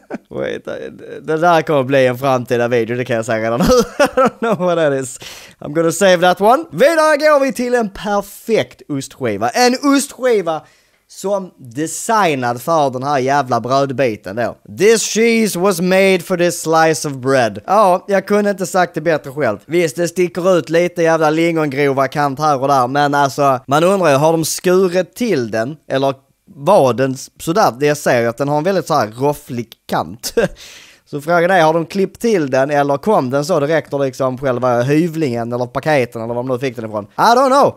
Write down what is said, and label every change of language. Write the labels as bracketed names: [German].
[Swedish] Wait, det där kommer bli en framtida video, det kan jag säga redan nu. [English] I don't know what that is. I'm gonna save that one. [Swedish] Vidare går vi till en perfekt ostskiva. En ostskiva som designad för den här jävla brödbiten då. [English] This cheese was made for this slice of bread. [Swedish] Ja, jag kunde inte sagt det bättre själv. Visst, det sticker ut lite jävla lingongrova kant här och där. Men alltså, man undrar, har de skuret till den? Eller var den sådär? Det jag säger att den har en väldigt så här rofflig kant. Så frågan är, har de klippt till den eller kom den så direkt och liksom själva hyvlingen eller paketen eller vad man nu fick den ifrån? [English] I don't know.